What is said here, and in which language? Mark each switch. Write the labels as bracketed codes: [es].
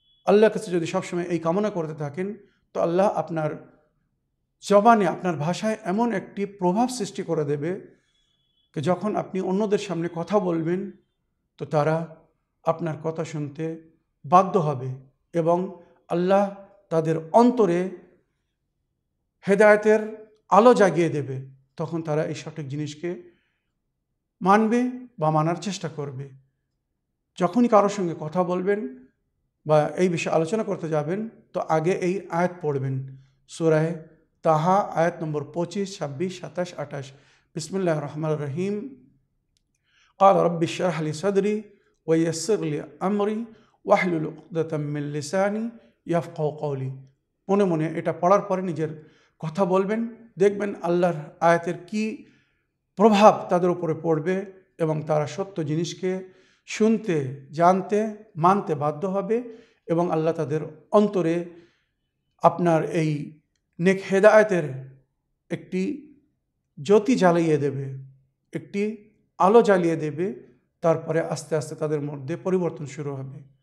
[bn] আল্লাহর কাছে যদি সবসময় এই কামনা করতে থাকেন তো আল্লাহ আপনার জবানে আপনার ভাষায় এমন একটি প্রভাব সৃষ্টি করে দেবে যে যখন আপনি অন্যদের সামনে কথা বলবেন তো তারা আপনার কথা শুনতে বাধ্য হবে এবং আল্লাহ তাদের অন্তরে হেদায়েতের আলো জাগিয়ে দেবে, তখন তারা এই সঠিক জিনিসকে মানবে বা মানার চেষ্টা করবে। যখনই কারোর সঙ্গে কথা বলবেন বা এই বিষয়ে আলোচনা করতে যাবেন তো আগে এই আয়াত পড়বেন, সূরা তাহা আয়াত নম্বর 25, 26, 27, 28। বিসমিল্লাহ রহমান রহিম। [ar] قال ربي اشرح لي صدري ويسر لي امري واحلل عقدة من لساني يفقهوا قولي। [bn] মনে মনে এটা পড়ার পরে নিজের কথা বলবেন, দেখবেন আল্লাহর আয়াতের কি প্রভাব তাদের উপরে পড়বে এবং তারা সত্য জিনিসকে শুনতে জানতে মানতে বাধ্য হবে এবং আল্লাহ তাদের অন্তরে আপনার এই নেক হেদায়েতের একটি জ্যোতি জ্বালিয়ে দেবে, একটি আলো জ্বালিয়ে দেবে, তারপরে আস্তে আস্তে তাদের মধ্যে পরিবর্তন শুরু হবে।